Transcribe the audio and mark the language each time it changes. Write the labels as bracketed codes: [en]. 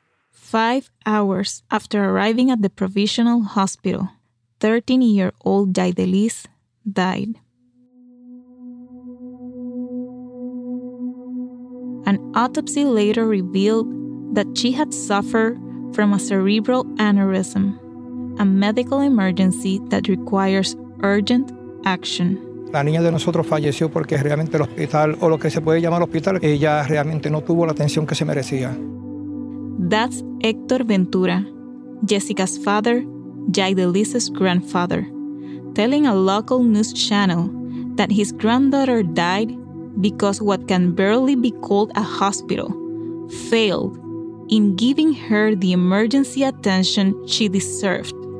[en] 5 hours after arriving at the provisional hospital, 13-year-old Jaidelis died. An autopsy later revealed that she had suffered from a cerebral aneurysm, a medical emergency that requires urgent action. [es] La niña de nosotros falleció porque realmente el hospital, o lo que se puede llamar hospital, ella realmente no tuvo la atención que se merecía. [en] That's Héctor Ventura, Jessica's father, Jaidelis's grandfather, telling a local news channel that his granddaughter died because what can barely be called a hospital failed in giving her the emergency attention she deserved.